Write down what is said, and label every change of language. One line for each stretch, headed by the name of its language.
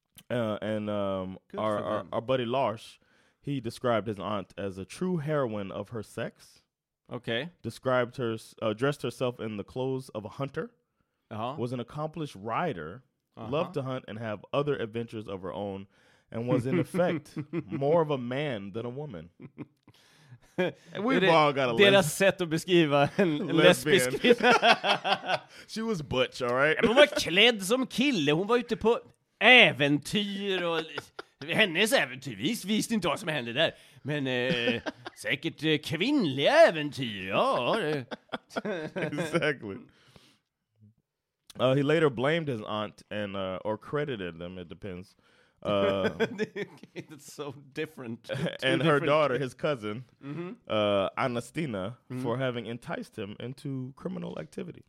English: Our buddy Lars, he described his aunt as a true heroine of her sex. Okay. Described her, dressed herself in the clothes of a hunter. Uh-huh. Was an accomplished rider. Uh-huh. Loved to hunt and have other adventures of her own. And was, in effect, more of a man than a woman. We've all got a
Swedish: lesbian. Deras sätt att beskriva en lesbisk.
English: She was butch, all right?
Swedish: Hon var klädd som kille. Hon var ute på äventyr. Hennes äventyr. Vi visste inte vad som hände där. Men säkert kvinnliga äventyr. Ja.
English: Exactly. He later blamed his aunt and or credited them. It depends. it's so different. And her daughter, his cousin, mm-hmm. Anastina, mm-hmm. for having enticed him into criminal activity.